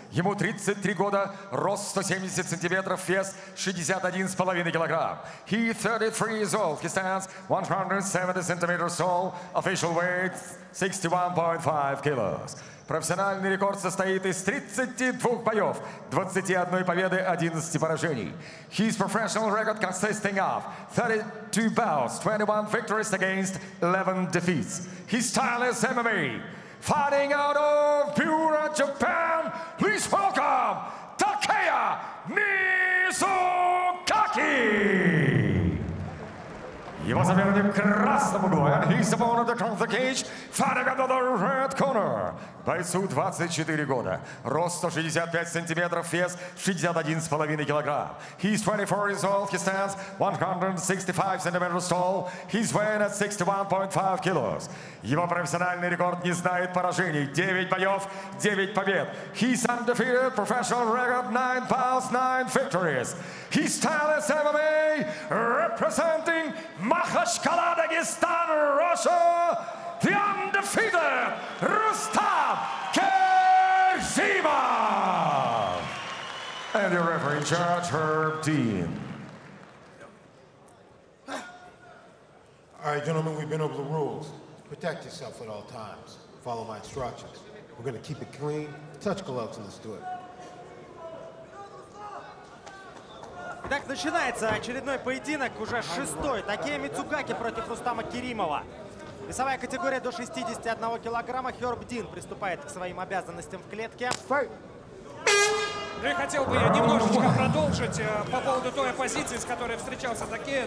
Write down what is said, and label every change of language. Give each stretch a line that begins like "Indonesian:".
Russian: Ему 33 года, рост 170 сантиметров, вес 61,5 килограмм.
English: He 33 years old. He stands 170 centimeters tall. Official weight 61.5 kilos.
Russian: Профессиональный рекорд состоит из 32 боев, 21 победы, 11 поражений.
English: His professional record consisting of 32 bouts, 21 victories against 11 defeats. His style is MMA. Fighting out of pure Japan, please welcome Takeya Mizukaki!
Russian: Его соперник в красном углу.
English: And his opponent across the cage, fighting out of the red corner.
Russian: Бойцу 24 года. Рост 165 сантиметров, вес 61,5 килограмм.
English: He's 24 years old. He stands 165 centimeters tall. He's weighing at 61.5 kilos.
Russian: Его профессиональный рекорд не знает поражений. 9 боев, 9 побед.
English: He's undefeated. Professional record 9 bouts, 9 victories. His style is MMA. Representing Махачкала, Дагестан, Россия. The undefeated Rustam Kerzhimov! And your referee in charge, Herb Dean. All right, gentlemen, we've been over the rules. Protect yourself at all times. Follow my instructions. We're gonna keep it clean. Touch gloves and let's do it.
Russian: Итак, начинается очередной поединок, уже шестой. Такея Мицугаки против Рустама Керимова. Весовая категория до 61 килограмма. Херб Дин приступает к своим обязанностям в клетке. Я хотел бы немножечко продолжить по поводу той оппозиции, с которой встречался Такея.